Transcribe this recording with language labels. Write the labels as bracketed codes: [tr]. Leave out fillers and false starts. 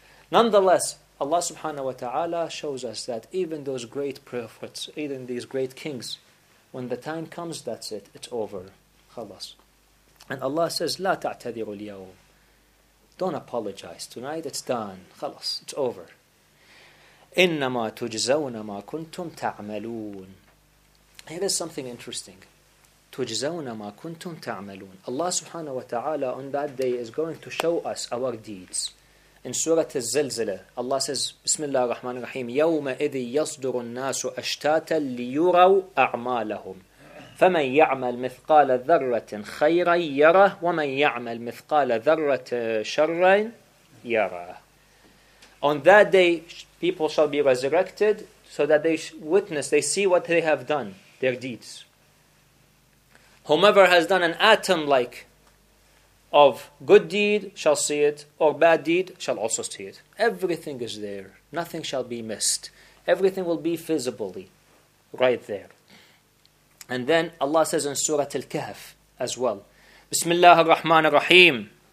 [en] Nonetheless, Allah subhanahu wa ta'ala shows us that even those great prophets, even these great kings, when the time comes, that's it. It's over. Khalas. And Allah says, [ar] لا تعتذروا اليوم. [en] Don't apologize tonight. It's done. Khalas. It's over. [ar] إِنَّمَا تُجْزَوْنَ مَا كُنْتُمْ تَعْمَلُونَ. [en] Here is something interesting. [ar] تُجْزَوْنَ مَا كُنْتُمْ تَعْمَلُونَ. [en] Allah subhanahu wa ta'ala on that day is going to show us our deeds. In Surah Al-Zilzila, Allah says, [ar] Bismillah ar-Rahman ar-Rahim, يَوْمَ إِذِي يَصْدُرُ النَّاسُ أَشْتَاتًا لِيُرَوْا أَعْمَالَهُمْ فَمَنْ يَعْمَلْ مِثْقَالَ ذَرَّةٍ خَيْرًا يَرَهُ وَمَنْ يَعْمَلْ مِثْقَالَ ذَرَّةٍ شَرًّا يَرَهُ. [en] On that day, people shall be resurrected so that they witness, they see what they have done, their deeds. Whomever has done an atom-like of good deed shall see it, or bad deed shall also see it. Everything is there. Nothing shall be missed. Everything will be visibly right there. And then Allah says in Surah Al-Kahf as well, Bismillah ar-Rahman ar-Rahim,